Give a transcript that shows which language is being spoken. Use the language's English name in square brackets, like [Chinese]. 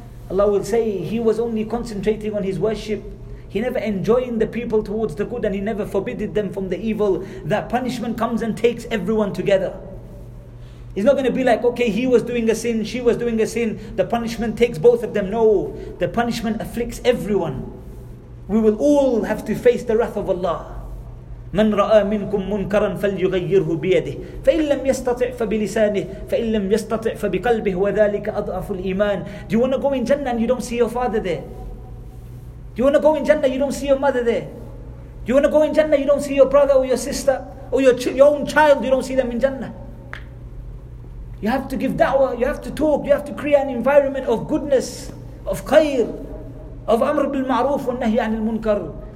[English] Allah will say, he was only concentrating on his worship. He never enjoined the people towards the good, and he never forbidded them from the evil. That punishment comes and takes everyone together. It's not going to be like, okay, he was doing a sin, she was doing a sin, the punishment takes both of them. No, the punishment afflicts everyone. We will all have to face the wrath of Allah. [Arabic] من رأى منكم منكرا فليغيره بيده فإن لم يستطع فبلسانه فإن لم يستطع فبقلبه وذلك أضعف الإيمان. [English] Do you want to go in Jannah and you don't see your father there? Do you want to go in Jannah and you don't see your mother there? Do you want to go in Jannah and you don't see your brother or your sister or your own child, you don't see them in Jannah? You have to give da'wah, you have to talk, you have to create an environment of goodness, of khair, of amr bil ma'roof wa nahi anil munkar.